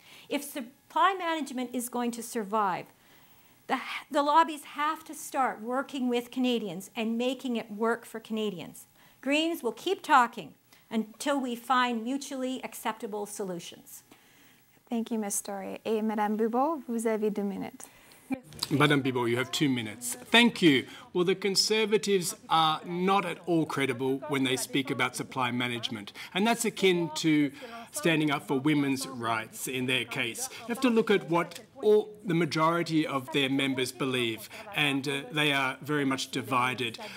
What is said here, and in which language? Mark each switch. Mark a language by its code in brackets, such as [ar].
[en] If supply management is going to survive, the lobbies have to start working with Canadians and making it work for Canadians. Greens will keep talking until we find mutually acceptable solutions. Thank you, Ms. Storey. [fr] Et Madame Bibeau, vous avez 2 minutes. [en] Madame Bibeau, you have 2 minutes. Thank you. Well, the Conservatives are not at all credible when they speak about supply management. And that's akin to standing up for women's rights in their case. You have to look at what the majority of their members believe, and they are very much divided.